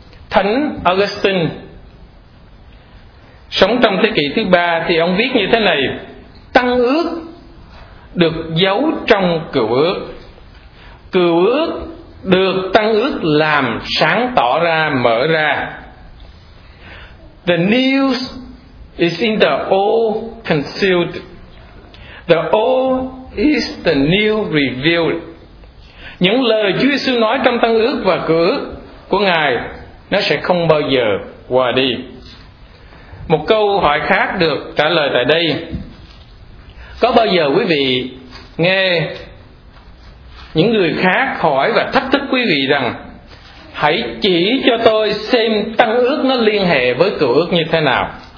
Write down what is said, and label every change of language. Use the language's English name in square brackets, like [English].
[Vietnamese] Thánh Augustine sống trong thế kỷ thứ 3 thì ông viết như thế này: tăng ước được giấu trong Cựu Ước, Cựu Ước được tăng ước làm sáng tỏ ra, mở ra. [English] The new is in the old concealed, the old is the new revealed. [Vietnamese] Những lời Chúa Giêsu nói trong tăng ước và Cựu Ước của Ngài, nó sẽ không bao giờ qua đi. Một câu hỏi khác được trả lời tại đây: có bao giờ quý vị nghe những người khác hỏi và thách thức quý vị rằng hãy chỉ cho tôi xem tăng ước nó liên hệ với Cựu Ước như thế nào?